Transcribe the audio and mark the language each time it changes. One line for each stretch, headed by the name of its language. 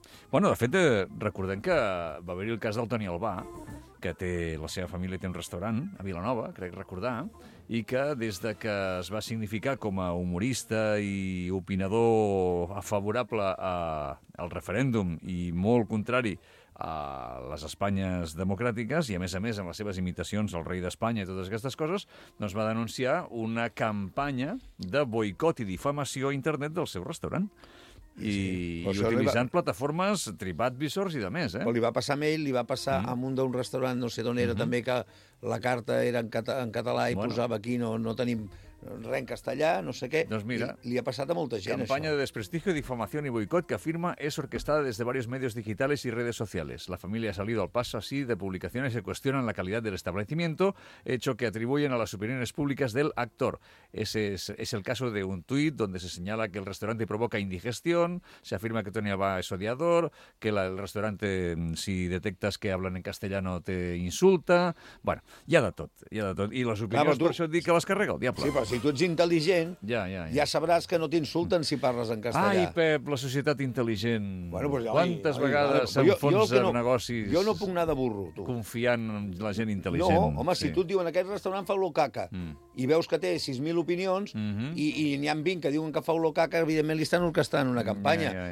Catalan: Bueno, de fet, recordem que va haver-hi el cas del Toni Albà, que té la seva família i té un restaurant a Vilanova, crec recordar, i que des de que es va significar com a humorista i opinador favorable al referèndum i molt contrari a les Espanyes democràtiques, i a més amb les seves imitacions al rei d'Espanya i totes aquestes coses, doncs va denunciar una campanya de boicot i difamació a internet del seu restaurant. I utilitzant plataformes TripAdvisor i de més, eh? Però li va passar a ell, li va passar a un d'un restaurant, no sé d'on era, també, que la carta era en català i posava aquí, no tenim res en castellà, no sé què. Doncs mira, li ha passat a molta gent, campanya això.
Spanish: Campanya de desprestigio, difamación y boicot que afirma es orquestada desde varios medios digitales y redes sociales. La familia ha salido al paso así de publicaciones que cuestionan la calidad del establecimiento, hecho que atribuyen a las opiniones públicas del actor. Ese es el caso de un tuit donde se señala que el restaurante provoca indigestión, se afirma que Tony Abba es odiador, que el restaurante, si detectas que hablan en castellano, te insulta...
Catalan: Bueno, ya da tot. I les opinions, per això et dic que les carrega el diable. Sí, si tu ets intel·ligent, ja sabràs que no t'insulten si parles en castellà. Ai, Pep, la societat intel·ligent. Bueno, pues, Quantes vegades s'enfonsa en negocis... Jo no puc anar de burro, tu. Confiant en la gent intel·ligent. No, home, si tu et diuen aquest restaurant fa olor caca i veus que té 6.000 opinions i n'hi ha 20 que diuen que fa olor caca, evidentment li estan orquestant una campanya.